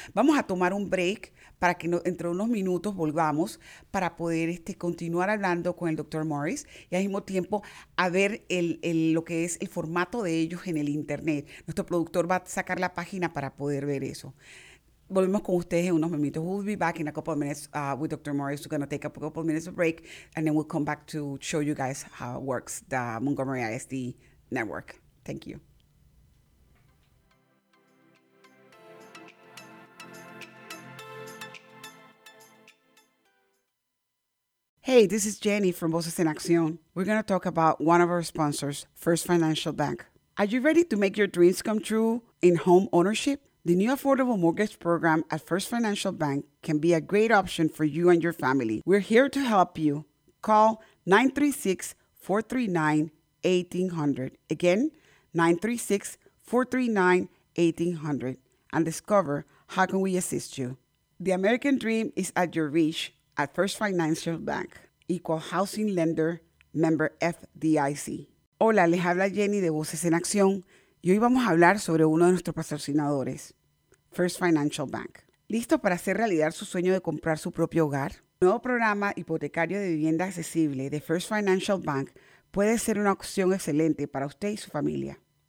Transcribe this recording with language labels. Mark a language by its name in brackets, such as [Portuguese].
[Spanish] Vamos a tomar un break para que entre unos minutos volvamos para poder continuar hablando con el Dr. Morris y al mismo tiempo a ver lo que es el formato de ellos en el internet. Nuestro productor va a sacar la página para poder ver eso. Volvemos con ustedes en unos momentos. [English] We'll be back in a couple of minutes with Dr. Morris. We're going to take a couple of minutes of break, and then we'll come back to show you guys how it works, the Montgomery ISD network. Thank you. Hey, this is Jenny from Voces en Acción. We're going to talk about one of our sponsors, First Financial Bank. Are you ready to make your dreams come true in home ownership? The new affordable mortgage program at First Financial Bank can be a great option for you and your family. We're here to help you. Call 936-439-1800. Again, 936-439-1800, and discover how can we assist you. The American dream is at your reach at First Financial Bank. Equal housing lender, member FDIC. [Spanish] Hola, les habla Jenny de Voces en Acción. Y hoy vamos a hablar sobre uno de nuestros patrocinadores. First Financial Bank. ¿Listo para hacer realidad su sueño de comprar su propio hogar? El nuevo programa hipotecario de vivienda accesible de First Financial Bank puede ser una opción excelente para usted y su familia.